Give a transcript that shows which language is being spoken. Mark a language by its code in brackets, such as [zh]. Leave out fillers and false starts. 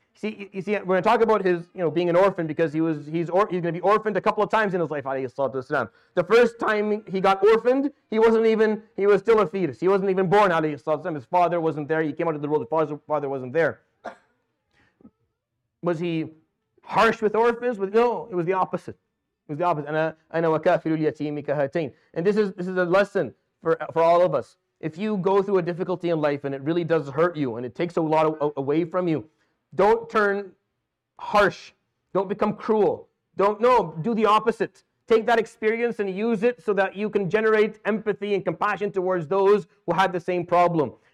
[en] See, we're going to talk about his, you know, being an orphan, because he's going to be orphaned a couple of times in his life, alayhi salatu wasalam. The first time he got orphaned, he was still a fetus. He wasn't even born, alayhi salatu wasalam. His father wasn't there. He came out of the world, his father wasn't there. Was he harsh with orphans? No, it was the opposite. It was the opposite. [ar] أنا وكافر اليتيم كهاتين. [en] And this is a lesson for all of us. If you go through a difficulty in life and it really does hurt you and it takes a lot away from you, don't turn harsh. Don't become cruel. Do the opposite. Take that experience and use it so that you can generate empathy and compassion towards those who had the same problem.